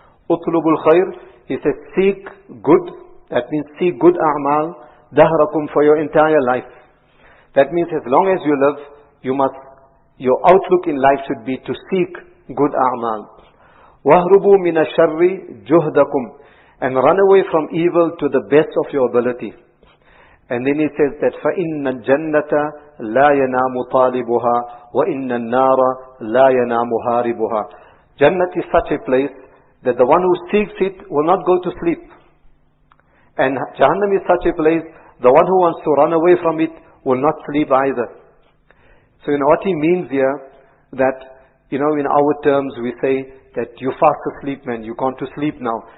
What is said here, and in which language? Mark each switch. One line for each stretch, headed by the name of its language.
Arabic: اُطْلُبُ الْخَيْرَ,
English: he says, seek good, that means seek good a'mal,
Arabic: دَهْرَكُمْ,
English: for your entire life. That means as long as you live, you must, your outlook in life should be to seek good a'mal.
Arabic: وَهْرُبُوا مِنَ الشَّرِّ جُهْدَكُمْ,
English: and run away from evil to the best of your ability. And then he says that,
Arabic: فَإِنَّ الْجَنَّةَ لَا يَنَامُ طَالِبُهَا وَإِنَّ النَّارَ لَا يَنَامُ هَارِبُهَا.
English: Jannah is such a place that the one who seeks it will not go to sleep. And Jahannam is such a place, the one who wants to run away from it will not sleep either. So you know what he means here, that, you know, in our terms we say that you're fast asleep, man, you've gone to sleep now.